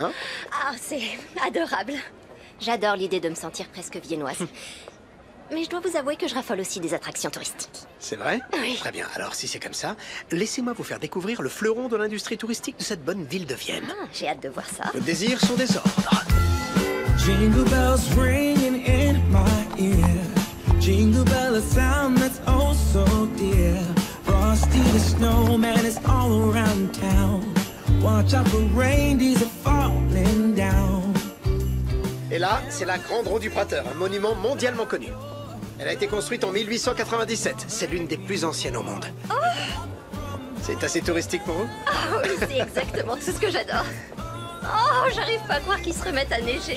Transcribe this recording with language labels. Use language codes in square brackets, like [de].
[fr] Ah, c'est adorable. J'adore l'idée de me sentir presque viennoise. Mais je dois vous avouer que je raffole aussi des attractions touristiques. C'est vrai ? Oui. Très bien, alors si c'est comme ça, laissez-moi vous faire découvrir le fleuron de l'industrie touristique de cette bonne ville de Vienne. Ah, j'ai hâte de voir ça. Vos désirs sont des ordres. [en] Jingle bells ringing in my ear. Jingle bell, a sound that's oh so dear. Frosty the snowman is all around town. Watch out for reindeers are falling down. [fr] Et là, c'est la Grande Roue du Prater, un monument mondialement connu. Elle a été construite en 1897. C'est l'une des plus anciennes au monde. Oh. C'est assez touristique pour vous? Oh, oui, c'est exactement tout ce que j'adore. Oh, j'arrive pas à croire qu'ils se remettent à neiger.